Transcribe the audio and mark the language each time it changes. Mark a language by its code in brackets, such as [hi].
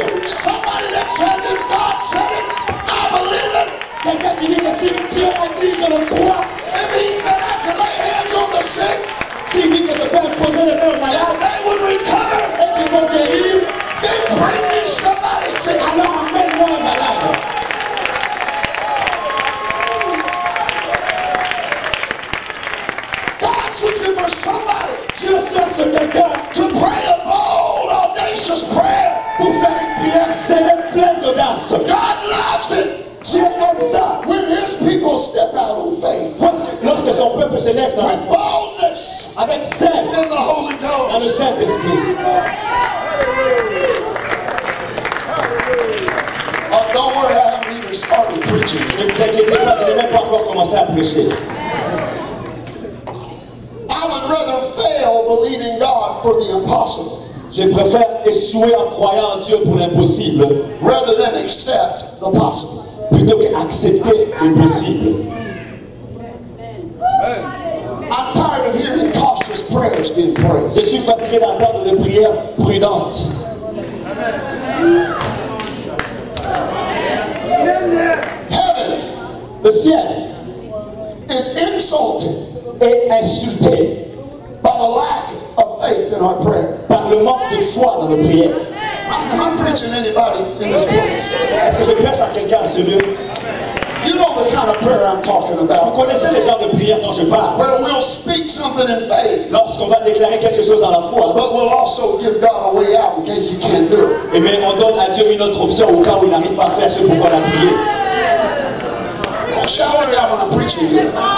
[en] Somebody that says if God said it, I believe it. [fr] Quelqu'un qui dit que si Dieu a dit, je le crois. [en] If he said I can lay hands on the sick, [fr] si il dit que je peux imposer les mains aux malades, [en] they would recover. [fr] Et qu'ils vont guérir. [en] Then bring me somebody sick. [fr] Alors amène-moi un malade. [en] God's looking for somebody. [fr] Dieu cherche quelqu'un. [en] To pray a bold, audacious prayer. [fr] Pour faire une prière célèbre pleine d'audace. [en] God loves it. [fr] Dieu aime ça. [en] When his people step out on faith. [fr] Lorsque son peuple se lève dans [en] with boldness. [fr] Avec zèle. [en] In the Holy Ghost. [fr] Dans le Saint-Esprit. [en] Oh, don't worry, I haven't even started preaching. [fr] Ne vous inquiétez pas, je n'ai même pas encore commencé à prêcher. [en] I would rather fail believing God for the impossible. [fr] Je préfère échouer en croyant en Dieu pour l'impossible [en] rather than accept the possible. [fr] Plutôt qu'accepter l'impossible. [en] I'm tired of hearing cautious prayers being prayed. [fr] Je suis fatigué d'entendre des prières prudentes. [en] Amen. Heaven, [fr] le ciel, [en] is insulted [fr] et insulté [en] by the lack of faith in our prayer. [fr] Par le manque de foi dans nos prières. [en] Am I preaching anybody in this place? [fr] Est-ce que je prêche à quelqu'un ce lieu? [en] You know the kind of prayer I'm talking about. [fr] Vous connaissez les genres de prières dont je parle. [en] Where we'll speak something in faith. [fr] Lorsqu'on va déclarer quelque chose dans la foi. [en] But we'll also give God a way out in case he can't do it. [fr] Et bien on donne à Dieu une autre option au cas où il n'arrive pas à faire ce pour quoi on a prié. [en] Don't shout out when I'm preaching here.